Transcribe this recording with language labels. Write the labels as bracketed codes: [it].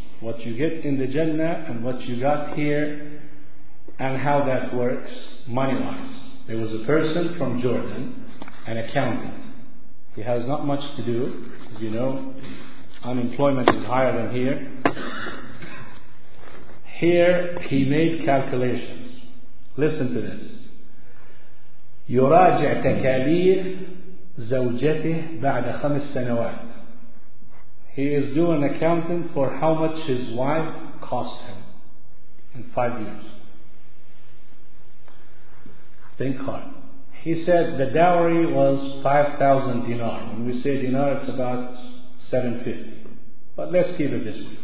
[en] What you get in the Jannah and what you got here and how that works money-wise. There was a person from Jordan, an accountant. He has not much to do. You know, unemployment is higher than here. Here, he made calculations. Listen to this. [ar] يراجع تكاليف زوجته بعد خمس سنوات. [en] He is doing an accounting for how much his wife cost him in 5 years. Think hard. He said the dowry was 5,000 dinar. When we say dinar, it's about 750. But let's keep it this way.